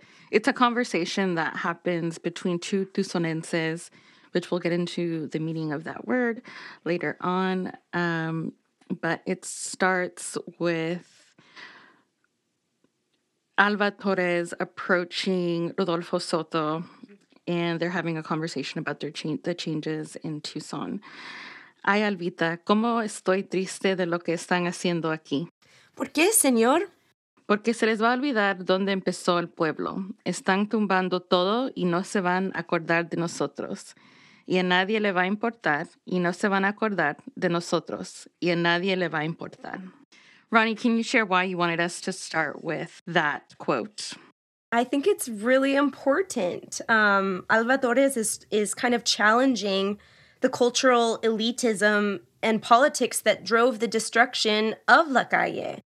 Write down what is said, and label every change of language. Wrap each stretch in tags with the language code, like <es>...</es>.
<en>It's a conversation that happens between two Tucsonenses, which we'll get into the meaning of that word later on. But it starts with Alba Torres approaching Rodolfo Soto, and they're having a conversation about the changes in Tucson.</en> <es>Ay, Albita, ¿cómo estoy triste de lo que están haciendo aquí? ¿Por qué, señor? Porque se les va a olvidar dónde empezó el pueblo. Están tumbando todo y no se van a acordar de nosotros. Y a nadie le va a importar, y no se van a acordar de nosotros, y a nadie le va a importar.</es> <en>Ronnie, can you share why you wanted us to start with that quote? I think it's really important. Alba Torres is kind of challenging the cultural elitism and politics that drove the destruction of La Calle.</en>